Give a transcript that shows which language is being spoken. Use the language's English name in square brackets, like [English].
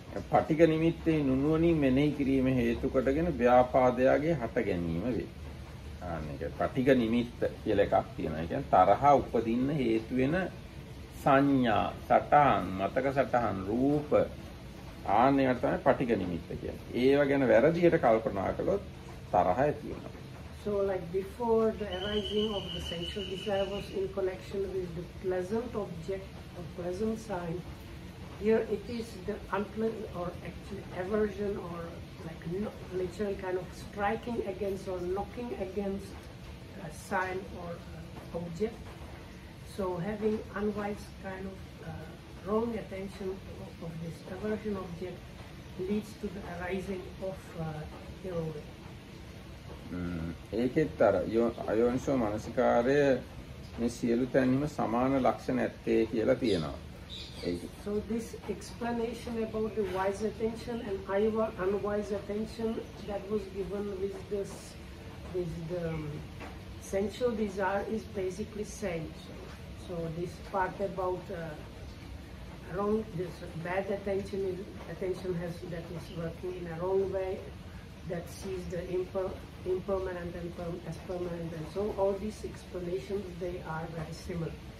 [Sinhala] පටික නිමිත්තේ නුනුවණින් මෙනෙහි කිරීම හේතු කොටගෙන ව්‍යාපාදයාගේ හට ගැනීම වේ. අනේක පටික නිමිත්ත කියලා එකක් තියෙනවා. ඒ කියන්නේ තරහ උපදින්න හේතු වෙන සංඥා, සටහන්, මතක සටහන්, රූප ආනේකට තමයි පටික නිමිත්ත කියන්නේ. ඒව ගැන වැරදියට කල්පනා කළොත් තරහ ඇති වෙනවා. [English] So like before the arising of the sensual desire was in connection with the pleasant object or pleasant sign. Here it is the unpleasant or actually aversion or like literal kind of striking against or knocking against a sign or object. So having unwise kind of wrong attention of this aversion object leads to the arising of heroic. [Sinhala] ඒකෙත් අර අයෝනිසෝ මානසිකාරය මේ සියලු තැන්ම සමාන ලක්ෂණ ඇත්තේ කියලා තියෙනවා. [English] So this explanation about the wise attention and unwise attention that was given with this with the sensual desire is basically same. So this part about wrong this bad attention is attention has that is working in a wrong way that sees the impermanent and as permanent and so all these explanations they are very similar.